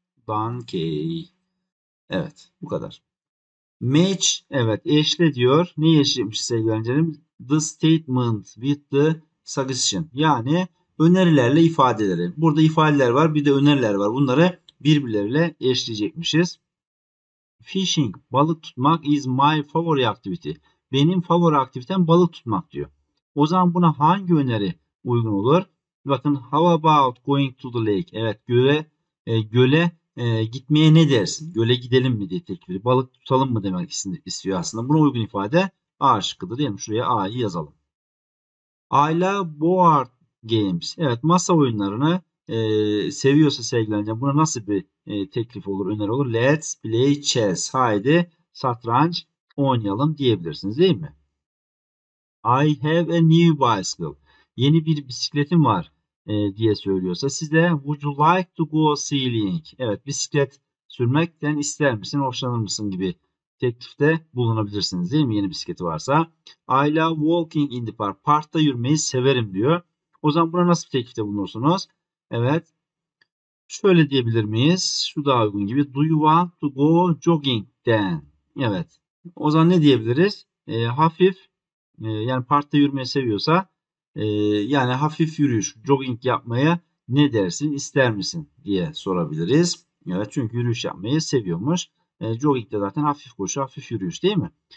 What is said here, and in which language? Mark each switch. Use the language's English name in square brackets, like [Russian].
[Turkish] Donkey. Evet, bu kadar. Match, evet, eşle diyor. Neyi eşlemiş sevgili öğrencilerim? [English] The statement with the suggestion. [Turkish] Yani önerilerle ifadeleri. Burada ifadeler var, bir de öneriler var. Bunları birbirleriyle eşleyecekmişiz. [English] Fishing, [Turkish] balık tutmak [English] is my favorite activity. [Turkish] Benim favori aktivitem balık tutmak diyor. O zaman buna hangi öneri uygun olur? Bakın, [English] how about going to the lake? [Turkish] Evet, göle gitmeye ne dersin? Göle gidelim mi diye tekrar. Balık tutalım mı demek istiyor aslında. Buna uygun ifade A şıkkıdır. Diyelim şuraya A'yı yazalım. [English] I love board games. [Turkish] Evet, masa oyunlarını seviyorsa sevgilenince buna nasıl bir teklif olur, öneri olur? [English] Let's play chess. [Turkish] Haydi satranç oynayalım diyebilirsiniz, değil mi? [English] I have a new bicycle. [Turkish] Yeni bir bisikletim var diye söylüyorsa size [English] would you like to go sailing? [Turkish] Evet, bisiklet sürmekten ister misin, hoşlanır mısın gibi teklifte bulunabilirsiniz, değil mi? Yeni bisikleti varsa. [English] I love walking in the park. [Turkish] Parkta yürümeyi severim diyor. O zaman buna nasıl bir teklifte bulunursunuz? Evet. Şöyle diyebilir miyiz? Şu daha uygun gibi. [English] Do you want to go jogging then? [Turkish] Evet. O zaman ne diyebiliriz? Hafif yani parkta yürümeyi seviyorsa yani hafif yürüyüş, jogging yapmaya ne dersin, ister misin diye sorabiliriz. Evet, çünkü yürüyüş yapmayı seviyormuş. Jogging de zaten hafif koşu, hafif yürüyüş, değil mi?